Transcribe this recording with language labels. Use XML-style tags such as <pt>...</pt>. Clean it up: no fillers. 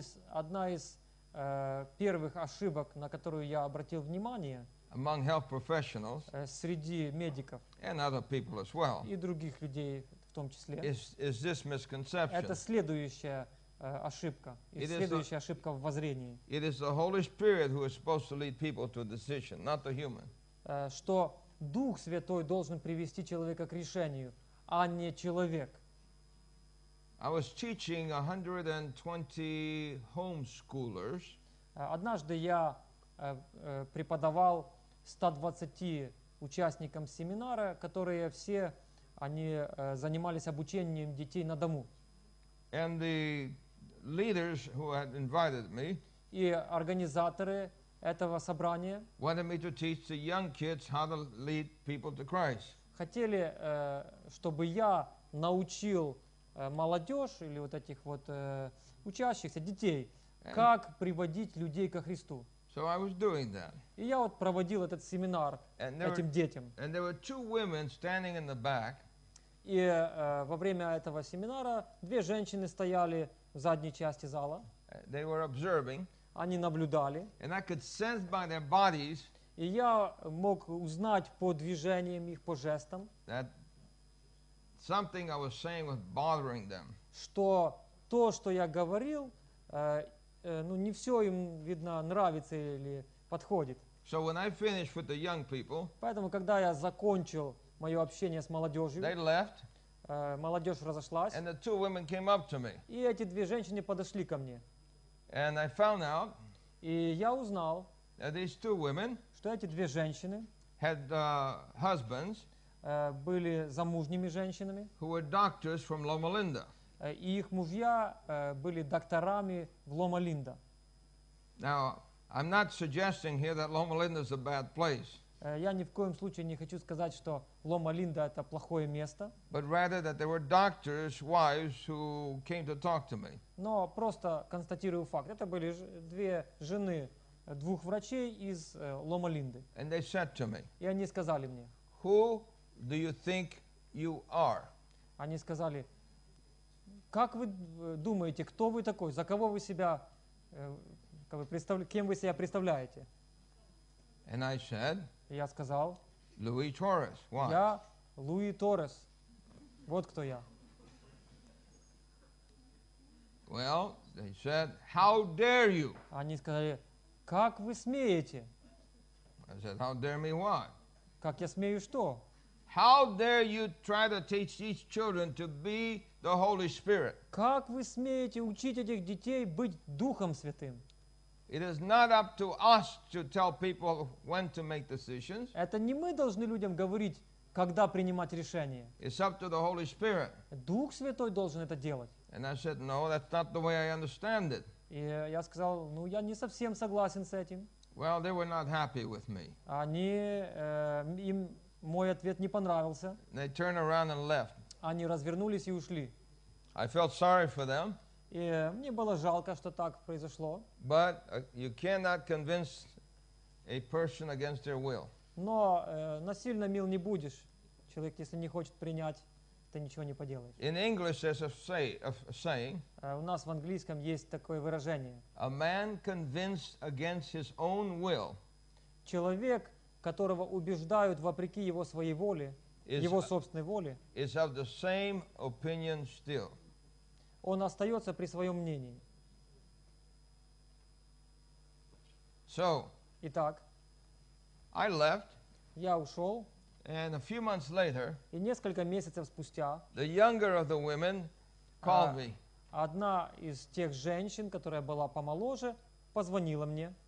<ru>Одна из первых ошибок, на которую я обратил внимание,</ru> <en>among health professionals,</en> <ru>среди медиков,</ru> <en>and other people as well,</en> <ru>и других людей в том числе,</ru> <en>is this misconception.</en> <ru>Это следующая ошибка, и следующая ошибка в воззрении.</ru> <en>It is the Holy Spirit who is supposed to lead people to a decision, not the human.</en> <ru>Что Дух Святой должен привести человека к решению, а не человек.</ru> <en>I was teaching 120 homeschoolers.</en> <ru>Однажды я преподавал 120 участникам семинара, которые все они занимались обучением детей на дому.</ru> <en>And the leaders who had invited me,</en> <ru>и организаторы этого собрания,</ru> <en>wanted me to teach the young kids how to lead people to Christ.</en> <ru>Хотели, чтобы я научил молодежь или вот этих вот учащихся детей, как приводить людей ко Христу.</ru> <en>So I was doing that.</en> <ru>И я вот проводил этот семинар этим детям.</ru> <en>And there were two women standing in the back.</en> <ru>И во время этого семинара две женщины стояли в задней части зала.</ru> <en>They were observing.</en> <ru>Они наблюдали.</ru> <en>And I could sense by their bodies.</en> <ru>И я мог узнать по движениям их, по жестам.</ru> <en>That something I was saying was bothering them.</en> <ru>Что то, что я говорил, ну не все им видно нравится или подходит.</ru> <en>So when I finished with the young people.</en> <ru>Поэтому когда я закончил мое общение с молодежью.</ru> <en>They left.</en> <ru>Молодежь разошлась.</ru> <en>And the two women came up to me.</en> <ru>И эти две женщины подошли ко мне.</ru> <en>And I found out.</en> <ru>И я узнал.</ru> <en>That these two women.</en> <ru>Что эти две женщины.</ru> <en>Had husbands.</en> <ru>Были замужними женщинами.</ru> <en>Who were doctors from Loma Linda.</en> <ru>И их мужья были докторами в Loma Linda.</ru> <en>Now, I'm not suggesting here that Loma Linda is a bad place.</en> <ru>Я ни в коем случае не хочу сказать, что Loma Linda это плохое место.</ru> <en>But rather that there were doctors' wives who came to talk to me.</en> <ru>Но просто констатирую факт. Это были две жены двух врачей из Loma Linda.</ru> <en>And they said to me.</en> <ru>И они сказали мне.</ru> <en>Who do you think you are?</en> <ru>Они сказали, как вы думаете, кто вы такой, за кого вы себя, как вы кем вы себя представляете?</ru> <en>And I said.</en> <ru>Я сказал.</ru> <en>Луи Торрес.</en> <ru>Я Луи Торрес. Вот кто я.</ru> <en>Well, they said, how dare you?</en> <ru>Они сказали, как вы смеете?</ru> <en>I said, how dare me what?</en> <ru>Как я смею что?</ru> <en>How dare you try to teach these children to be the Holy Spirit?</en> <ru>Как вы смеете учить этих детей быть Духом Святым?</ru> <en>It is not up to us to tell people when to make decisions.</en> <ru>Это не мы должны людям говорить, когда принимать решение.</ru> <en>It's up to the Holy Spirit.</en> <ru>Дух Святой должен это делать.</ru> <en>And I said, no, that's not the way I understand it.</en> <ru>И я сказал, ну я не совсем согласен с этим.</ru> <en>Well, they were not happy with me.</en> <ru>Они им мой ответ не понравился.</ru> <en>They turned around and left.</en> <ru>Они развернулись и ушли.</ru> <en>I felt sorry for them.</en> <ru>И мне было жалко, что так произошло.</ru> <en>But you cannot convince a person against their will.</en> <ru>Но насильно мил не будешь. Человек, если не хочет принять, ты ничего не поделаешь.</ru> <en>In English there's a saying.</en> <ru>У нас в английском есть такое выражение.</ru> <en>A man convinced against his own will.</en> <ru>Человек, которого убеждают вопреки его своей воле, его собственной воле,</ru> <en>is of the same opinion still.</en> <ru>Он остается при своем мнении.</ru> <en>So,</en> <ru>итак,</ru> <en>I left,</en> <ru>я ушел,</ru> <en>and a few months later,</en> <ru>и несколько месяцев спустя,</ru> <en>the younger of the women called me.</en> <ru>Одна из тех женщин, которая была помоложе, позвонила мне.</ru>